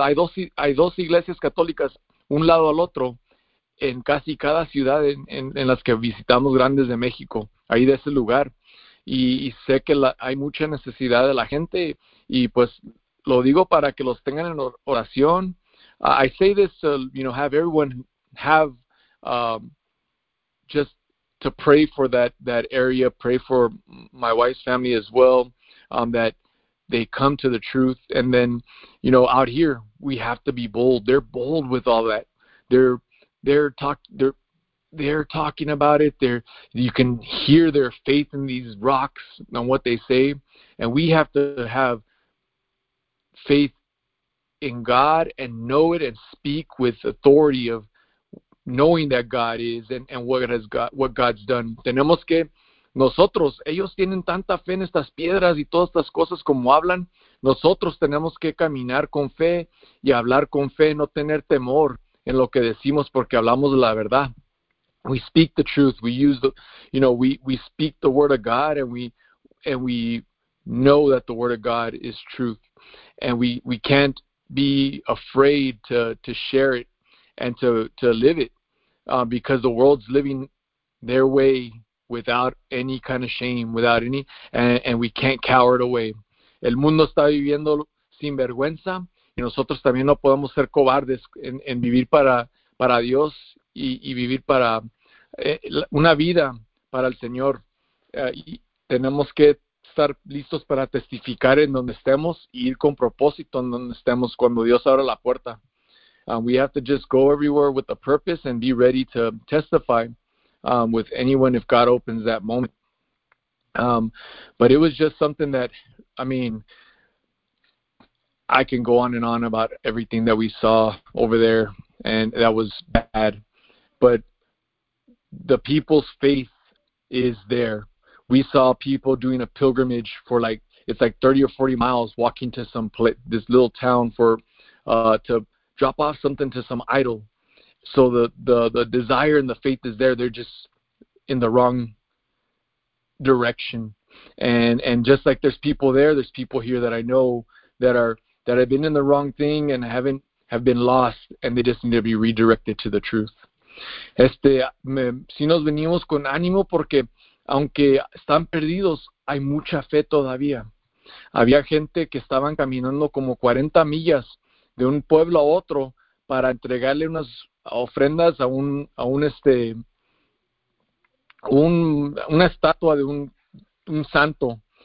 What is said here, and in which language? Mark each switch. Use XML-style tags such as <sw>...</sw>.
<es>Hay dos iglesias católicas un lado al otro en casi cada ciudad en las que visitamos grandes de México, ahí de ese lugar. Y sé que hay mucha necesidad de la gente, y pues lo digo para que los tengan en oración.</es> <en>I say this to, you know, have everyone have just to pray for that area, pray for my wife's family as well, that they come to the truth. And then, you know, out here we have to be bold. They're bold with all that. They're talking about it. You can hear their faith in these rocks and what they say. And we have to have faith in God and know it and speak with authority of knowing that God is and what God's done.</en> <es>Tenemos que nosotros, ellos tienen tanta fe en estas piedras y todas estas cosas como hablan. Nosotros tenemos que caminar con fe y hablar con fe, no tener temor en lo que decimos porque hablamos la verdad.</es> <en>We speak the truth. We use the, you know, we speak the word of God, and we know that the word of God is truth, and we can't be afraid to share it and to live it, because the world's living their way without any kind of shame, without any, and we can't cower it away.</en> <es>El mundo está viviendo sin vergüenza, y nosotros también no podemos ser cobardes en vivir para Dios. Y vivir para una vida para el Señor. Y tenemos que estar listos para testificar en donde estemos y ir con propósito en donde estemos cuando Dios abra la puerta.</es> <en>We have to just go everywhere with a purpose and be ready to testify with anyone if God opens that moment. But it was just something that, I mean, I can go on and on about everything that we saw over there, and that was bad. But the people's faith is there. We saw people doing a pilgrimage for like, it's like 30 or 40 miles walking to some this little town to drop off something to some idol. So the desire and the faith is there. They're just in the wrong direction. And just like there's people there, there's people here that I know that have been in the wrong thing and have been lost, and they just need to be redirected to the truth.</en> <es>Si nos venimos con ánimo porque aunque están perdidos, hay mucha fe todavía. Había gente que estaban caminando como 40 millas de un pueblo a otro para entregarle unas ofrendas a una estatua de un santo.</es>